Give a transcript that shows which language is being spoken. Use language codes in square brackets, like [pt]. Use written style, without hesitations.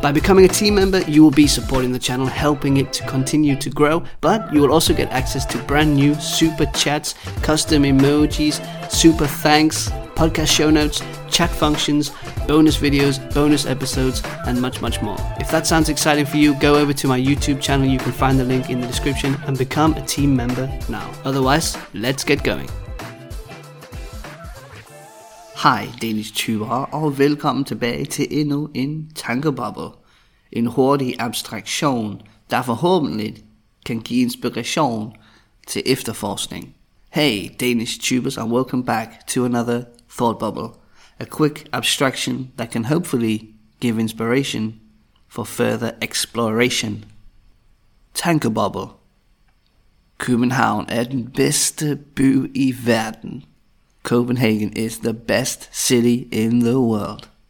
[en] By becoming a team member, you will be supporting the channel, helping it to continue to grow, but you will also get access to brand new super chats, custom emojis, super thanks, podcast show notes, chat functions, bonus videos, bonus episodes, and much, much more. If that sounds exciting for you, go over to my YouTube channel. You can find the link in the description and become a team member now. Otherwise, let's get going. [da] Hej, Danish Tuber, og velkommen tilbage til endnu en tankebubble. En hurtig abstraktion, der forhåbentlig kan give inspiration til efterforskning. [en] Hey, Danish Tubers, and welcome back to another thought bubble. A quick abstraction that can hopefully give inspiration for further exploration. Tanker bubble. [da] København er den bedste by i verden. [en] Copenhagen is the best city in the world.